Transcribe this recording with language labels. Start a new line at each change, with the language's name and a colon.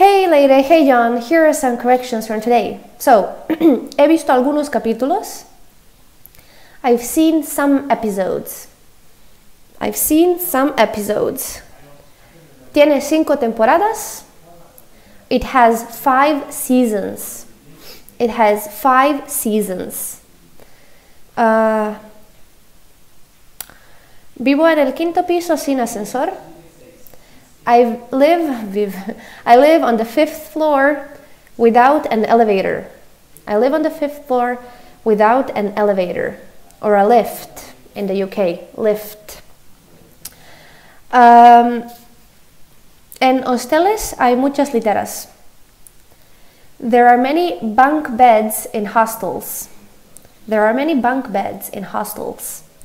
English: Leire, hey John, here are some corrections from today. So,
Spanish: he visto algunos capítulos.
English: I've seen some episodes. I've seen some episodes.
Spanish: Tiene cinco temporadas.
English: It has five seasons. It has five seasons.
Spanish: Vivo en el quinto piso sin ascensor.
English: I live on the fifth floor without an elevator. I live on the fifth floor without an elevator or a lift in the UK. Lift.
Spanish: En hosteles hay muchas literas.
English: There are many bunk beds in hostels. There are many bunk beds in hostels.